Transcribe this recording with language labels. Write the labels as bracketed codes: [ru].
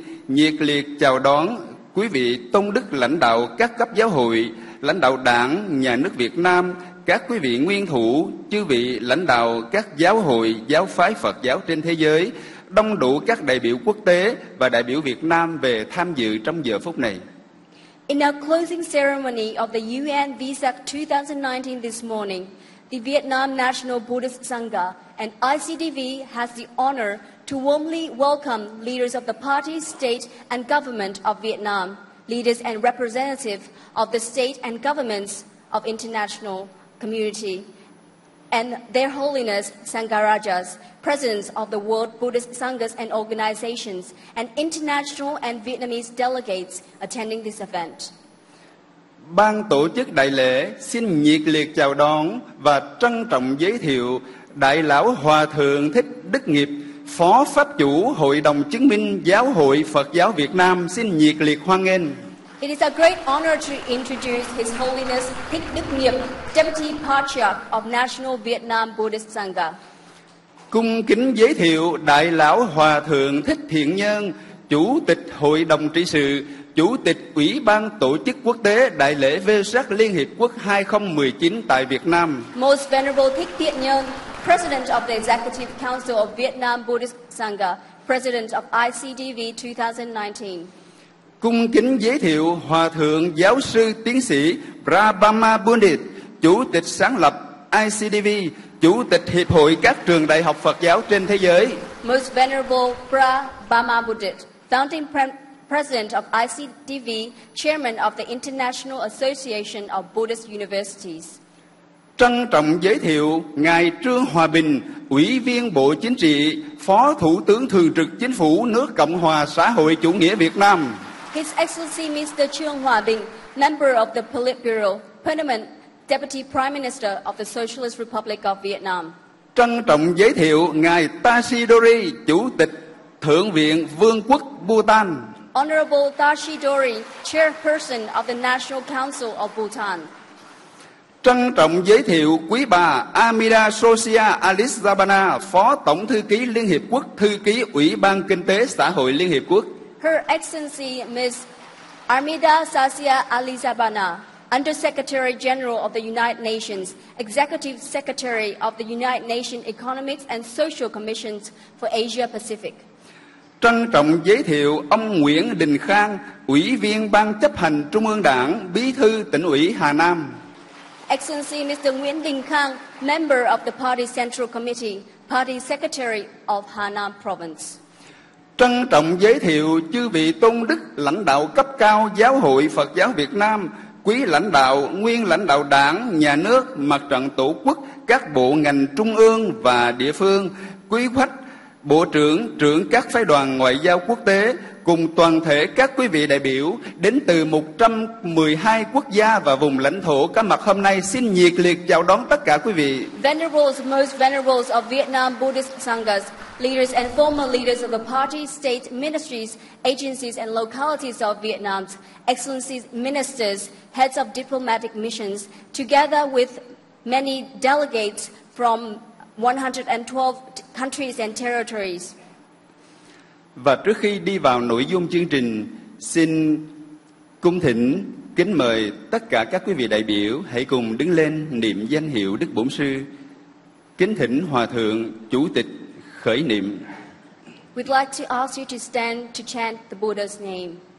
[vi] nhiệt liệt chào đón quý vị tôn đức lãnh đạo các cấp giáo hội, lãnh đạo Đảng, Nhà nước Việt Nam, các quý vị nguyên thủ, chư vị lãnh đạo các giáo hội, giáo phái Phật giáo trên thế giới, đông đủ các đại biểu quốc tế và đại biểu Việt Nam về tham dự trong giờ phút này. [en] In our closing ceremony of the UN Vesak 2019 this morning, the Vietnam National Buddhist Sangha and ICDV has the honor to warmly welcome leaders of the party, state and government of Vietnam, leaders and representatives of the state and governments of international community, and Their Holiness Sangharajas, presidents of the World Buddhist Sanghas and organizations, and international and Vietnamese delegates attending this event. [vi] Ban tổ chức đại lễ xin nhiệt liệt chào đón và trân trọng giới thiệu Đại lão Hòa thượng Thích Đức Nghiệp, Phó Pháp chủ Hội đồng Chứng minh Giáo hội Phật giáo Việt Nam, xin nhiệt liệt hoan nghênh. [en] It is a great honor to introduce His Holiness Thích Đức Nghiệp, Deputy Patriarch of National Vietnam Buddhist Sangha. [vi] Cung kính giới thiệu Đại lão Hòa thượng Thích Thiện Nhân, Chủ tịch Hội đồng Trị sự, Chủ tịch Ủy ban Tổ chức Quốc tế Đại lễ Vesak Liên hiệp Quốc 2019 tại Việt Nam. [en] Most Venerable Thích Thiện Nhân, President of the Executive Council of Vietnam Buddhist Sangha, President of ICDV 2019. [vi] Cung kính giới thiệu Hòa thượng Giáo sư Tiến sĩ Prabhama Pundit, Chủ tịch sáng lập ICDV, Chủ tịch Hiệp hội các trường đại học Phật giáo trên thế giới. [en] Most Venerable Prabhama Pundit, Founding President of ICDV, Chairman of the International Association of Buddhist Universities. [vi] Trân trọng giới thiệu Ngài Trương Hòa Bình, Ủy viên Bộ Chính trị, Phó Thủ tướng Thường trực Chính phủ nước Cộng hòa Xã hội Chủ nghĩa Việt Nam. [en] His Excellency Mr. Trương Hòa Bình, Member of the Politburo, Permanent Deputy Prime Minister of the Socialist Republic of Vietnam. [vi] Trân trọng giới thiệu Ngài Tashidori, Chủ tịch Thượng viện Vương quốc Bhutan. [en] Honorable Tashidori, Chairperson of the National Council of Bhutan. [vi] Trân trọng giới thiệu quý bà Amida Sosia Alisabana, Phó Tổng Thư ký Liên Hiệp Quốc, Thư ký Ủy ban Kinh tế Xã hội Liên Hiệp Quốc. [en] Her Excellency Ms. Amida Sosia Alisabana, Undersecretary General of the United Nations, Executive Secretary of the United Nations Economic and Social Commissions for Asia Pacific. [vi] Trân trọng giới thiệu ông Nguyễn Đình Khang, Ủy viên Ban Chấp hành Trung ương Đảng, Bí thư Tỉnh ủy Hà Nam. [en] Excellency Mr. Nguyễn Đình Khang, Member of the Party Central Committee, Party Secretary of Hà Nam Province. [vi] Trân trọng giới thiệu chư vị tôn đức lãnh đạo cấp cao Giáo hội Phật giáo Việt Nam, quý lãnh đạo, nguyên lãnh đạo Đảng, Nhà nước, Mặt trận Tổ quốc, các bộ ngành trung ương và địa phương, quý khách, Bộ trưởng, trưởng các phái đoàn ngoại giao quốc tế, cùng toàn thể các quý vị đại biểu đến từ 112 quốc gia và vùng lãnh thổ có mặt hôm nay, xin nhiệt liệt chào đón tất cả quý vị. [en] Venerables, most venerables of Vietnam Buddhist Sanghas, leaders and former leaders of the party, state, ministries, agencies and localities of Vietnam, excellencies, ministers, heads of diplomatic missions, together with many delegates from 112 countries and territories. [vi] Và trước khi đi vào nội dung chương trình, xin cung thỉnh kính mời tất cả các quý vị đại biểu hãy cùng đứng lên niệm danh hiệu Đức Bổn Sư. Kính thỉnh Hòa thượng Chủ tịch khởi niệm. [en] We'd like to ask you to stand to chant the Buddha's name.